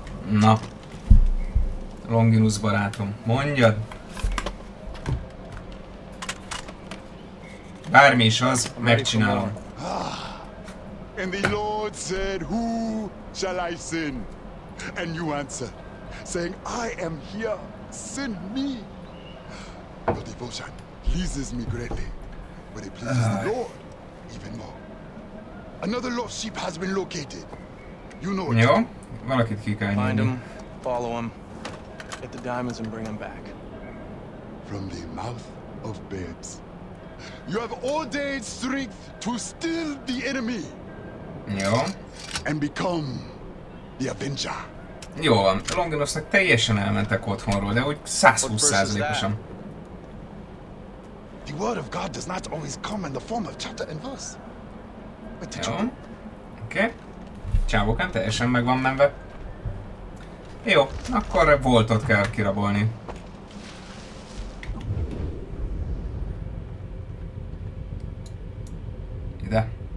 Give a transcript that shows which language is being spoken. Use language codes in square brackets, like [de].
[hu] Na. Longinus barátom, mondjad. Bármi is az, megcsinálom. [en] And the Lord said, who shall I send? And you answer, saying, I am here, send me. Your devotion pleases me greatly, but it pleases the Lord even more. Another lost sheep has been located. You know it. [hu] Jó, valakit ki kell nyomni. [en] Find him, follow him, get the diamonds and bring him back. From the mouth of babes. You have ordained strength to steal the enemy. [hu] Jó. [en] And become the Avenger. [hu] Jó, Longinusnak teljesen elmentek otthonról, de úgy 120%-osan. [en] The word of God does not always come in the form of chapter and verse. [hu] Jó. Oké. Okay. Csávokám, teljesen meg van menve. Jó, akkor voltot kell kirabolni. Ide.